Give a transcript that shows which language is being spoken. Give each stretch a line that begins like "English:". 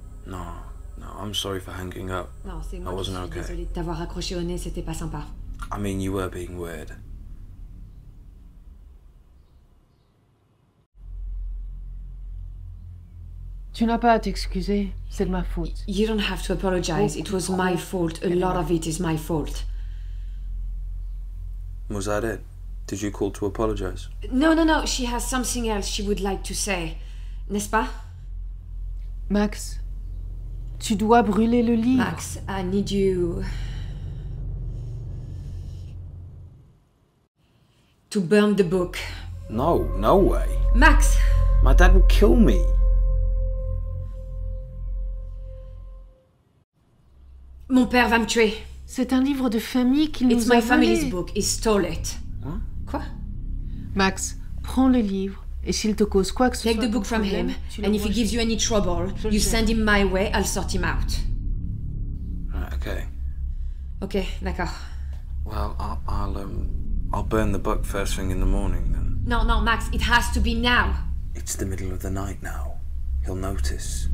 English: No, no, I'm sorry for hanging up.
French: Non, c'est moi qui suis désolée de t'avoir accroché au nez, c'était pas sympa.
English: I mean, you were being weird.
French: Tu n'as pas à t'excuser, c'est de ma faute.
English: You don't have to apologize, it was my fault. A lot of it is my fault. Was that it? Did you call to apologize? No, no, no, she has something else she would like to say.
French: N'est-ce pas? Max, tu dois brûler le livre.
English: Max, I need you... to burn the book. No, no way. Max! My dad will kill me.
French: Mon père va me tuer. C'est un livre de famille qu'il nous a volé.
English: It's my family's book. He stole it.
French: Quoi? Max, prends le livre et s'il te cause quoi que ce soit...
English: Take the book from him and if he gives you any trouble, you send him my way, I'll sort him out. Okay.
French: Okay, d'accord.
English: Well, I'll burn the book first thing in the morning then. No, no, Max, it has to be now. It's the middle of the night now. He'll notice.